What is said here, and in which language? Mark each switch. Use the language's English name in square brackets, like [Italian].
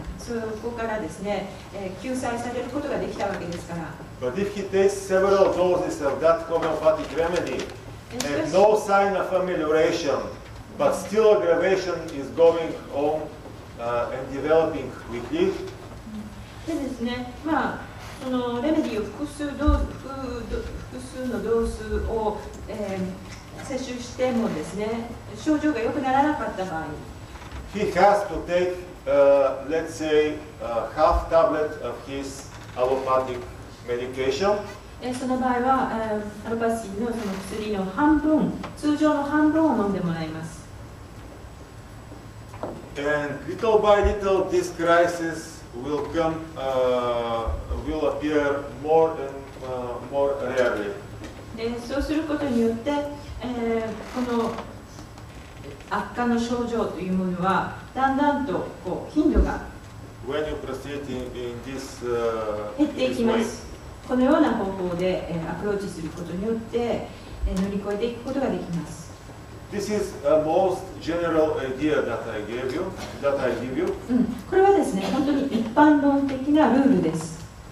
[Japanese] そこからですね、救済されることができたわけですから。 [English] But if he takes several doses of that homeopathic remedy and no sign of amelioration, but still aggravation is going on and developing quickly. [Japanese] でですね、まあ。そのレメディーを複数のドースを、摂取してもですね、症状が良くならなかった場合、 [English] He has to take, let's say, half tablet of his allopathic medication. [Japanese] その場合は、アロパシーのその薬の半分、通常の半分を飲んでもらいます。 [English] And little by little, this crisis. Will come, will appear more and more rarely. [Japanese] で、そうすることによって、この悪化の症状というものはだんだんとこう頻度が [English] When you proceed in this, [Japanese] 減っていきます。このような方法で、アプローチすることによって、乗り越えていくことができます。 [English] This is a most general idea that I gave you. That I give you. [Japanese] これはですね、本当に一般論的なルールです。